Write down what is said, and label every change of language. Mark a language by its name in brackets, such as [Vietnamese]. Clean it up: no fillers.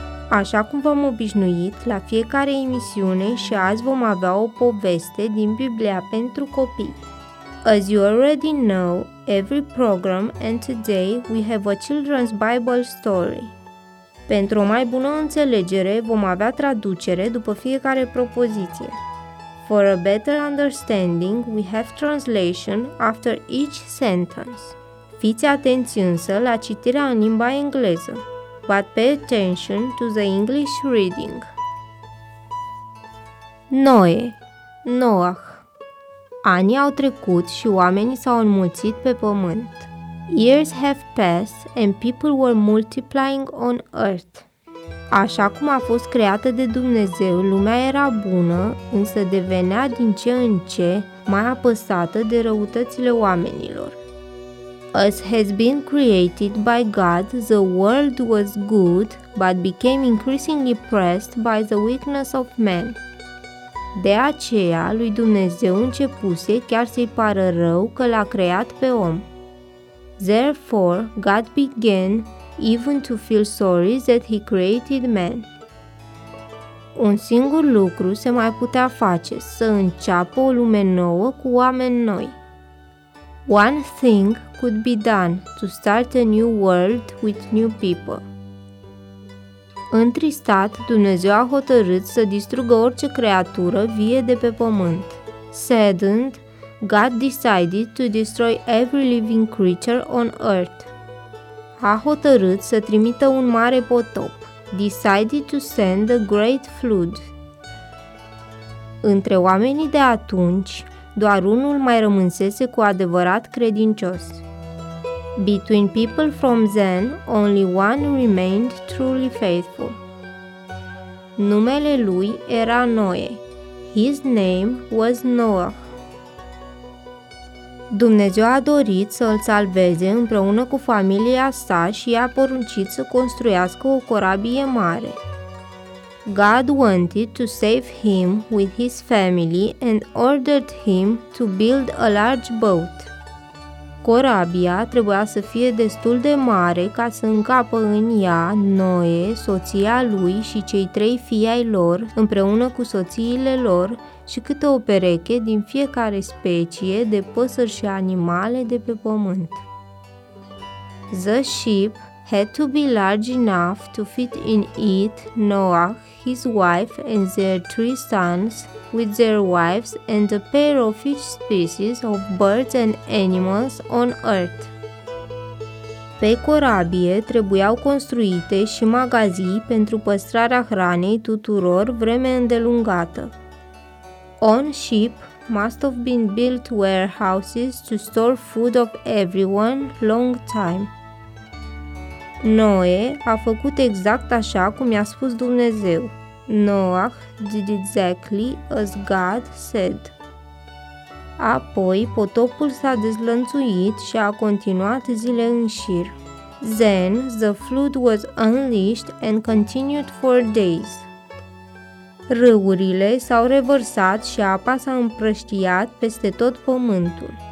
[Romanian] Așa cum v-am obișnuit, la fiecare emisiune și azi vom avea o poveste din Biblia pentru copii. [English] As you already know, every program and today we have a children's Bible story. [Romanian] Pentru o mai bună înțelegere, vom avea traducere după fiecare propoziție. [English] For a better understanding, we have translation after each sentence. [Romanian] Fiți atenți însă la citirea în limba engleză. [English] But pay attention to the English reading. [Romanian] Noe, Noah. Anii au trecut și oamenii s-au înmulțit pe pământ. [English] Years have passed and people were multiplying on earth. [Romanian] Așa cum a fost creată de Dumnezeu, lumea era bună, însă devenea din ce în ce mai apăsată de răutățile oamenilor. [English] As has been created by God, the world was good, but became increasingly pressed by the weakness of man. [Romanian] De aceea, lui Dumnezeu începuse chiar să-i pară rău că l-a creat pe om. [English] Therefore, God began even to feel sorry that he created man. [Romanian] Un singur lucru se mai putea face, să înceapă o lume nouă cu oameni noi. [English] One thing could be done, to start a new world with new people. [Romanian] Întristat, Dumnezeu a hotărât să distrugă orice creatură vie de pe pământ. [English] Saddened, God decided to destroy every living creature on earth. [Romanian] A hotărât să trimită un mare potop. [English] Decided to send a great flood. [Romanian] Între oamenii de atunci, doar unul mai rămânsese cu adevărat credincios. [English] Between people from then, only one remained truly faithful. [Romanian] Numele lui era Noe. [English] His name was Noah. [Romanian] Dumnezeu a dorit să îl salveze împreună cu familia sa și i-a poruncit să construiască o corabie mare. [English] God wanted to save him with his family and ordered him to build a large boat. [Romanian] Corabia trebuia să fie destul de mare ca să încapă în ea Noe, soția lui și cei trei fii ai lor, împreună cu soțiile lor și câte o pereche din fiecare specie de păsări și animale de pe pământ. [English] The ship had to be large enough to fit in it Noah, his wife and their three sons, with their wives and a pair of each species of birds and animals on earth. [Romanian] Pe corabie trebuiau construite și magazii pentru păstrarea hranei tuturor vreme îndelungată. [English] On ship must have been built warehouses to store food of everyone long time. [Romanian] Noe a făcut exact așa cum i-a spus Dumnezeu. [English] Noah did exactly as God said. [Romanian] Apoi, potopul s-a dezlănțuit și a continuat zile în șir. [English] Then, the flood was unleashed and continued for days. [Romanian] Râurile s-au revărsat și apa s-a împrăștiat peste tot pământul.